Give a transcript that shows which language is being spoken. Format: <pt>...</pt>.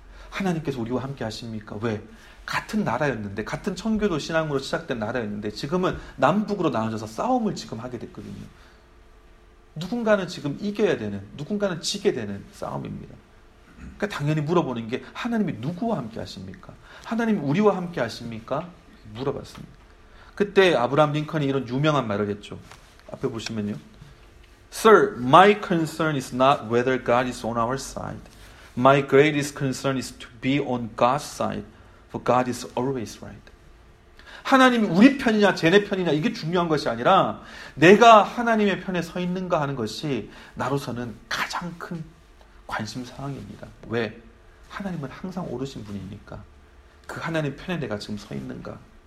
<ko>하나님께서 우리와 함께 하십니까? 왜? 같은 나라였는데, 같은 청교도 신앙으로 시작된 나라였는데 지금은 남북으로 나눠져서 싸움을 지금 하게 됐거든요. 누군가는 지금 이겨야 되는, 누군가는 지게 되는 싸움입니다. 그러니까 당연히 물어보는 게 하나님이 누구와 함께 하십니까? 하나님이 우리와 함께 하십니까? 물어봤습니다. 그때 아브라함 링컨이 이런 유명한 말을 했죠. 앞에 보시면요.</ko> <en>Sir, my concern is not whether God is on our side. My greatest concern is to be on God's side. For God is always right.</en> <ko>하나님이 우리 편이냐 쟤네 편이냐 이게 중요한 것이 아니라 내가 하나님의 편에 서 있는가 하는 것이 나로서는 가장 큰 관심 사항입니다. 왜? 하나님은 항상 옳으신 분이니까 그 하나님 편에 내가 지금 서 있는가?</ko>